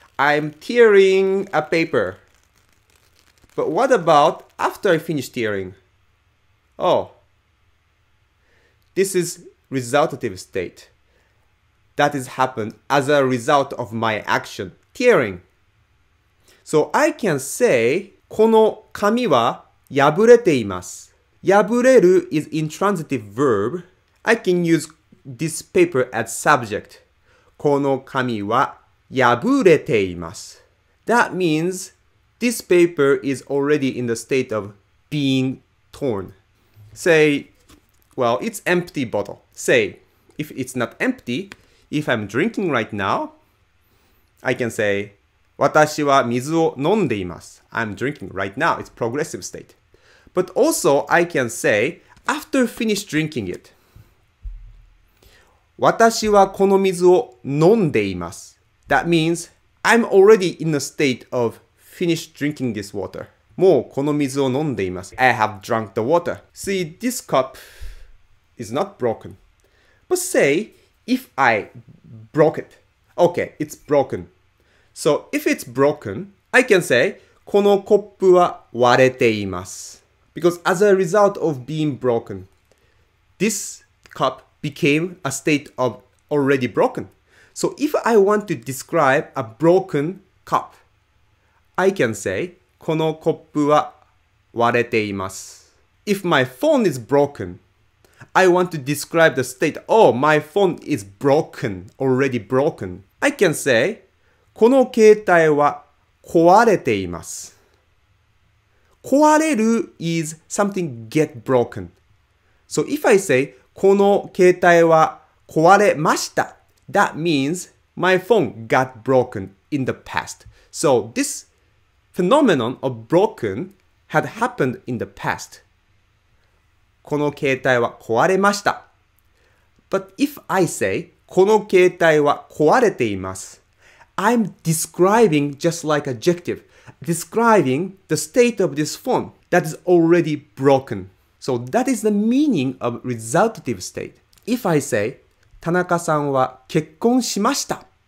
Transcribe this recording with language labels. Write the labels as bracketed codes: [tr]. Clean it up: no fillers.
[en] I'm tearing a paper. But what about after I finish tearing? Oh, this is resultative state. That has happened as a result of my action, tearing. So I can say, [ja] この紙は破れています。 [en] 破れる is intransitive verb. I can use this paper as subject. [ja] この紙は破れています。 [en] That means this paper is already in the state of being torn. Say, well, it's empty bottle. Say, if it's not empty, if I'm drinking right now, I can say, [ja] 私は水を飲んでいます。 [en] I'm drinking right now. It's progressive state. But also, I can say, after finish drinking it. [ja] 私はこの水を飲んでいます。 [en] That means, I'm already in a state of finish drinking this water. [ja] もうこの水を飲んでいます。 [en] I have drunk the water. See, this cup is not broken. But say, if I broke it. Okay, it's broken. So, if it's broken, I can say, [ja] このコップは割れています。 [en] Because as a result of being broken, this cup became a state of already broken. So if I want to describe a broken cup, I can say, [ja] このコップは割れています。 [en] If my phone is broken, I want to describe the state, oh, my phone is broken, already broken. I can say, [ja] この携帯は壊れています。 [en] 壊れる is something get broken. So if I say, [ja] この携帯は壊れました。 [en] That means my phone got broken in the past. So this phenomenon of broken had happened in the past. [ja] この携帯は壊れました。 [en] But if I say, [ja] この携帯は壊れています。 [en] I'm describing just like adjective. Describing the state of this phone that is already broken. So that is the meaning of resultative state. If I say, [ja] 田中さんは結婚しました。